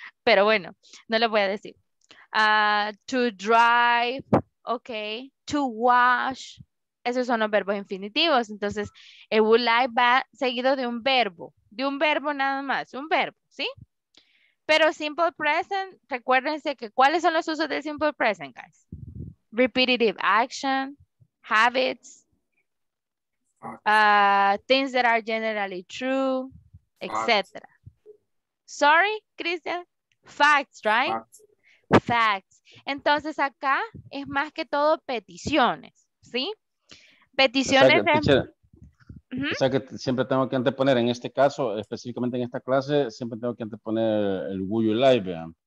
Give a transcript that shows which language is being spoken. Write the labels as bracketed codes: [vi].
[es] Pero bueno, no lo voy a decir. [en] To drive, okay. To wash. [es] Esos son los verbos infinitivos. Entonces, [en] it would like [es] va seguido de un verbo. De un verbo nada más. Un verbo, ¿sí? Pero simple present, recuérdense que ¿cuáles son los usos del simple present, guys? [en] Repetitive action, habits, things that are generally true, etc. Sorry, Christian. Facts, right? Facts. [es] Entonces, acá es más que todo peticiones, ¿sí? Peticiones. O sea, que, o sea que siempre tengo que anteponer, en este caso, específicamente en esta clase, siempre tengo que anteponer el would you like, vean.